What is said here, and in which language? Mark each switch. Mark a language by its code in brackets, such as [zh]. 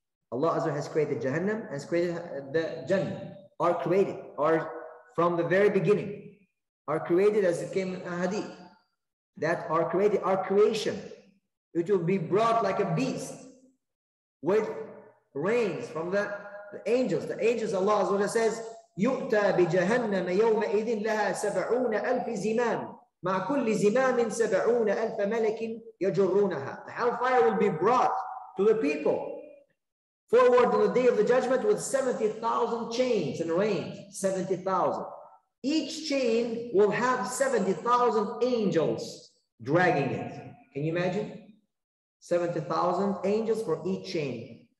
[en] Allah Azza wa Jalla has created Jahannam, has created the Jannah, are created, are from the very beginning, are created as it came in a hadith, that are created, are creation. It will be brought like a beast with reins from the angels. The angels, Allah Azza wa Jalla says, [ar] يُؤْتَى بِجَهَنَّمَ يَوْمَئِذٍ لَهَا سَبْعُونَ أَلْفِ زِمَانٍ مَعْ كُلِّ زِمَانٍ سَبْعُونَ أَلْفَ مَلَكٍ يَجُرُّونَهَا. [en] The hellfire will be brought to the people forward on the day of the judgment with 70,000 chains and reins, 70,000. Each chain will have 70,000 angels dragging it. Can you imagine? 70,000 angels for each chain.